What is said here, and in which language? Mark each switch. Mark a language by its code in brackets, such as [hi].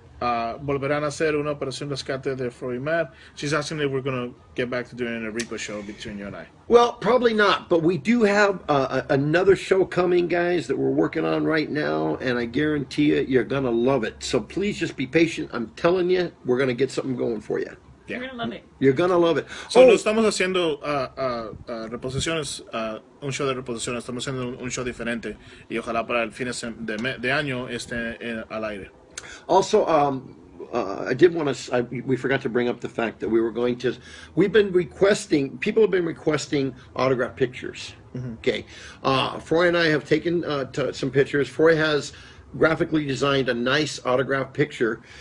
[es] Volverán a hacer una operación rescate de Froy Matt. [en] She's asking if we're going to get back to doing a Rico show between you and I. Well, probably not, but we do have another show coming, guys, that we're working on right now, and I guarantee you, you're going to love it. So please just be patient. I'm telling you, we're going to get something going for you. Yeah. You're going to love it. [es] So, estamos haciendo reposiciones, un show de reposiciones. Estamos haciendo un show diferente, y ojalá para el fin de año esté al aire. [en] Also, I did want to, we forgot to bring up the fact that people have been requesting autographed pictures. Mm-hmm. Okay. Froy and I have taken some pictures. Froy has graphically designed a nice autographed picture.